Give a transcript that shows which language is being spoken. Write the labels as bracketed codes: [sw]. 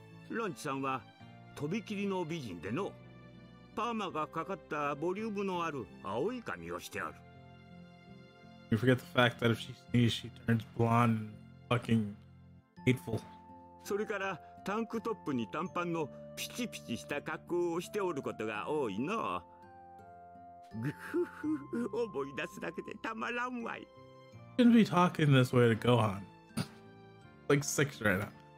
[ja] ランチさん は飛び切りの美人でのパーマがかかったボリュームのある青い髪をしてある。 [en] You forget the fact that if she sneezes, she turns blonde and fucking hateful. [ja] それからタンクトップに短パンのピチピチした格好をしておることが多いの。グフフ、思い出すだけでたまらんわい。 [en] Shouldn't be talking this way to Gohan. Like six right now.